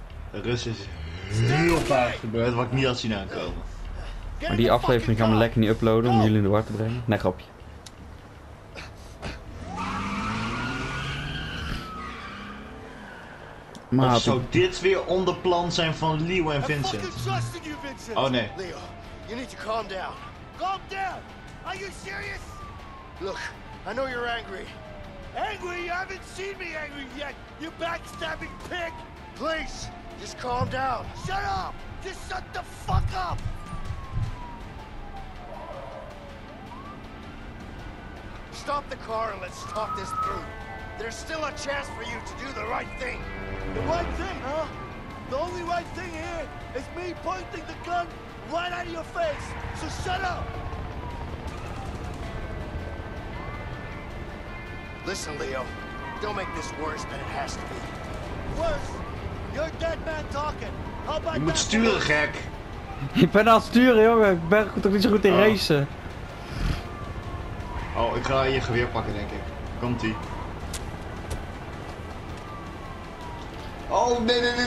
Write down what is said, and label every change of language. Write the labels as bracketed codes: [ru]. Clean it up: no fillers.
[nl] Rus is heel vaak gebeurd, wat ik niet had zien aankomen. Maar die aflevering gaan we lekker niet uploaden om jullie in de war te brengen. Nee, grapje. Maar zou dit weer onder plan zijn van Leo en Vincent? [en] You, Vincent. [nl] Oh nee. [en] Leo, you need to calm down. Calm down. Are you serious? Look, I know you're angry. Angry? You haven't seen me angry yet. You backstabbing pig. Please, just calm down. Shut up. Just shut the fuck up. Stop the car and let's talk this through. There's still a chance for you to do the right thing. The right thing, huh? The only right thing here is me pointing the gun right out of your face. So shut up! Listen, Leo. Don't make this worse than it has to be. Worse? You're a dead man talking. How about that? [nl] Je moet sturen, gek. Ik ben aan het sturen, jongen. Ik ben toch niet zo goed in racen. Oh, ik ga je geweer pakken, denk ik. Komt-ie. Oh, nee.